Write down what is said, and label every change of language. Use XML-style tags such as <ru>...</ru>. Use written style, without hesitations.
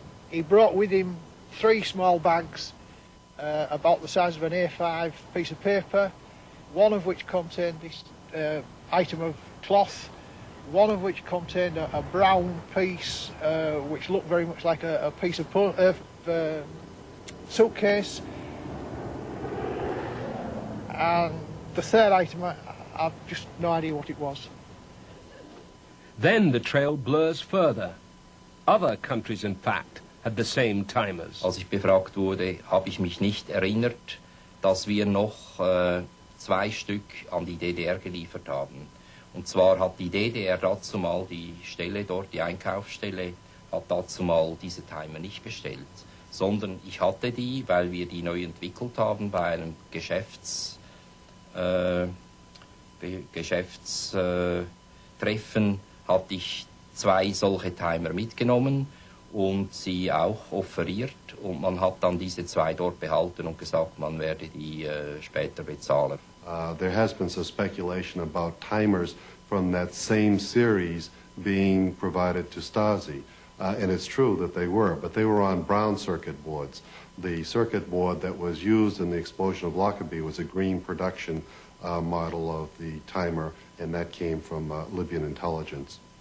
<en>He brought with him three small bags about the size of an A5 piece of paper, one of which contained this item of cloth, one of which contained a brown piece which looked very much like a piece of suitcase, and the third item, I've just no idea what it was. Then the trail blurs further. Other countries, in fact, had the same timers.</en> <de>Als ich befragt wurde, habe ich mich nicht erinnert, dass wir noch zwei Stück an die DDR geliefert haben. Und zwar hat die DDR dazumal die Stelle dort, die Einkaufsstelle, hat dazumal diese Timer nicht bestellt. Sondern ich hatte die, weil wir die neu entwickelt haben bei einem Geschäftstreffen, hatte ich zwei solche Timer mitgenommen und sie auch offeriert. Und man hat dann diese zwei dort behalten und gesagt, man werde die später bezahlen.</de> <en>There has been some speculation about timers from that same series being provided to Stasi. And it's true that they were, but they were on brown circuit boards. The circuit board that was used in the explosion of Lockerbie was a green production model of the timer, and that came from Libyan intelligence.</en>